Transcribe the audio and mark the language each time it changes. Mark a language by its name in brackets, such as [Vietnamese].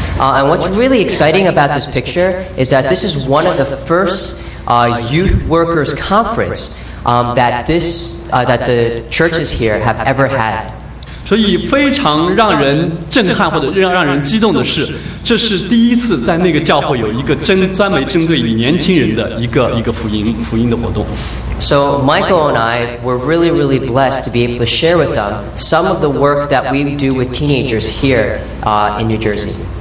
[English] And what's really exciting about this picture is that this is one of the first youth workers conference that the churches here have ever had. [Chinese] 所以非常让人震撼或者让人激动的是，这是第一次在那个教会有一个专门针对年轻人的一个福音的活动。 [English] So Michael and I were really, really blessed to be able to share with them some of the work that we do with teenagers here in New Jersey.